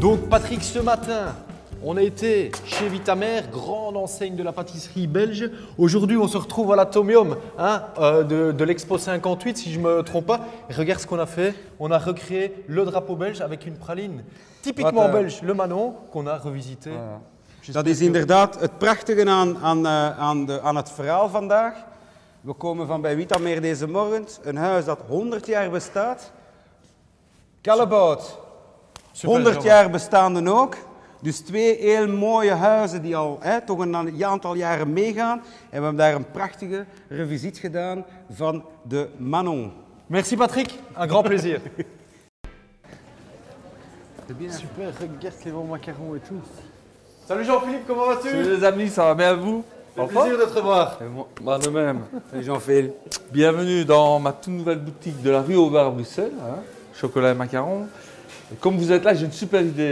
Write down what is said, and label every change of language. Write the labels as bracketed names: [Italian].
[French] Patrick, ce matin, on a été chez Wita Meer, grande enseigne de la pâtisserie belge. Aujourd'hui, on se retrouve à l'Atomium de l'Expo 58, si je ne me trompe pas. Regarde ce qu'on a fait. On a recréé le drapeau belge avec une praline typiquement belge, le Manon, qu'on a revisité. [Dutch] Dat is inderdaad het prachtige aan het verhaal vandaag. We komen van bij Wita Meer deze morgen, een huis dat 100 jaar bestaat. Kalleboud. 100 jaar bestaande ook. Dus twee heel mooie huizen die al toch een aantal jaren meegaan. En we hebben daar een prachtige revisiet gedaan van de Manon. [French] Merci Patrick, un grand plaisir. Super, regarde les bons macarons et tout. Salut Jean-Philippe, comment vas-tu? Salut les amis, ça va bien à vous? C'est un plaisir de te voir. Moi de même. Salut Jean-Philippe. Bienvenue dans ma toute nouvelle boutique de la rue Aubert à Bruxelles. Hein, chocolat et macarons. Comme vous êtes là, j'ai une super idée.